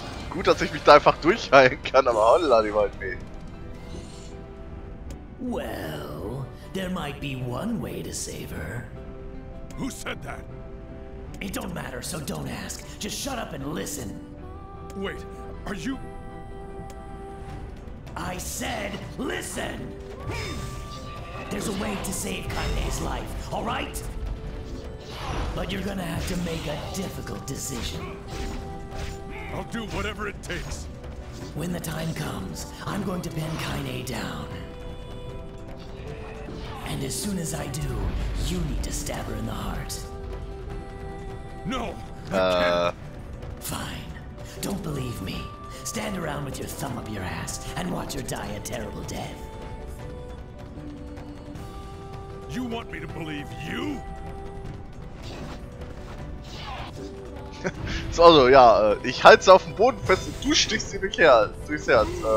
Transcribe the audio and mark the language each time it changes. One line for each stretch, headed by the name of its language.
German: Gut, dass ich mich da einfach durchheilen kann, aber holla, die wollen mich.
English: Well, there might be one way to save her. Who said that? It don't matter, so don't ask. Just shut up and listen. Wait, are you... I said, listen! There's a way to save Kaine's life, all right? But you're gonna have to make a difficult decision. I'll do whatever it takes. When the time comes, I'm going to pin Kaine down. And as soon as I do, you need to stab her in the heart. No! Fine. Don't believe me. Stand around with your thumb up your ass and watch her die a terrible death. You want me to believe you?
German: Also, ja, ich halte sie auf dem Boden fest und du stichst sie durchs Herz.